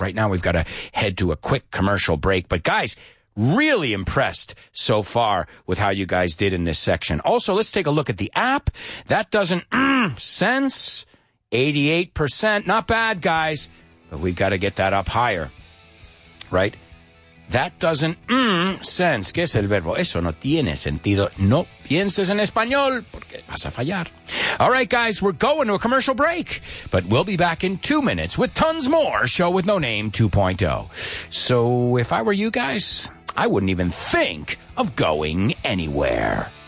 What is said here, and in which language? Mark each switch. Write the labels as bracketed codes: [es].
[en] Right now we've got to head to a quick commercial break. But guys, really impressed so far with how you guys did in this section. Also, let's take a look at the app. That doesn't sense. 88%, not bad, guys. But we've got to get that up higher, right? That doesn't sense. [es] ¿Qué es el verbo? Eso no tiene sentido. No pienses en español porque vas a fallar. [en] All right, guys, we're going to a commercial break. But we'll be back in 2 minutes with tons more Show With No Name 2.0. So if I were you guys, I wouldn't even think of going anywhere.